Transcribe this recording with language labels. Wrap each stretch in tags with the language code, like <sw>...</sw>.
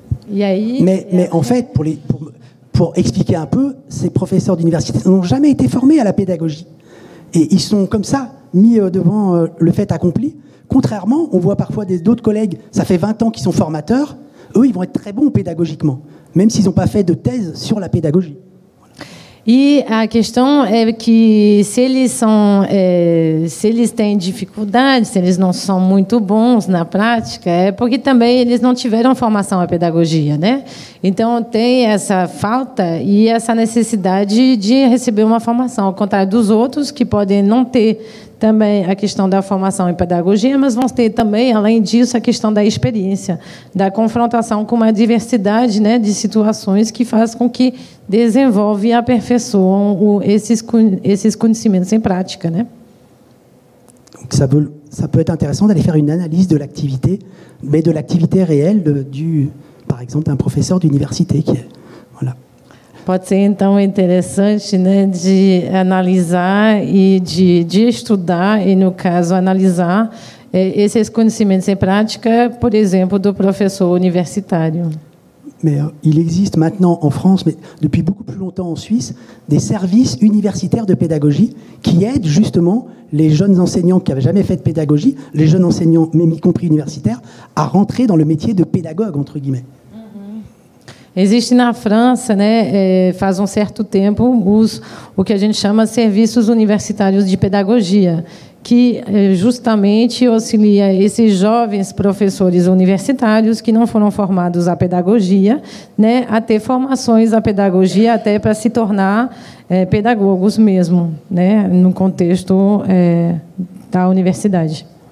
<fr>Mais en fait, pour expliquer un peu, ces professeurs d'université n'ont jamais été formés à la pédagogie. Et ils sont comme ça, mis devant le fait accompli. Contrairement, on voit parfois d'autres collègues, ça fait 20 ans qu'ils sont formateurs, eux, ils vont être très bons pédagogiquement, même s'ils n'ont pas fait de thèse sur la pédagogie.</fr> <pt>E a questão é que se eles têm dificuldade, se eles não são muito bons na prática, é porque também eles não tiveram formação em pedagogia, né? Então tem essa falta e essa necessidade de receber uma formação, ao contrário dos outros que podem não ter também a questão da formação em pedagogia, mas vão ter também, além disso, a questão da experiência, da confrontação com uma diversidade, né, de situações que faz com que desenvolve e aperfeiçoa esses conhecimentos em prática, né?</pt> <fr>Donc ça peut être intéressant d'aller faire une analyse de l'activité, mais de l'activité réelle du par exemple un professeur d'université qui est, voilà.</fr> <pt>Pode ser, então, interessante, né, de analisar e de estudar, e, no caso, analisar esses conhecimentos em prática, por exemplo, do professor universitário.</pt> <fr>Mas il existe maintenant en France, mais depuis beaucoup plus longtemps en Suisse, des services universitaires de pédagogie qui aident justement les jeunes enseignants qui n'avaient jamais fait de pédagogie, les jeunes enseignants, même y compris universitaires, à rentrer dans le métier de pédagogue, entre guillemets.</fr> <pt>Existe na França, né, faz um certo tempo, o que a gente chama de serviços universitários de pedagogia, que justamente auxilia esses jovens professores universitários que não foram formados à pedagogia, né, a ter formações à pedagogia até para se tornar pedagogos mesmo, né, no contexto da universidade.</pt>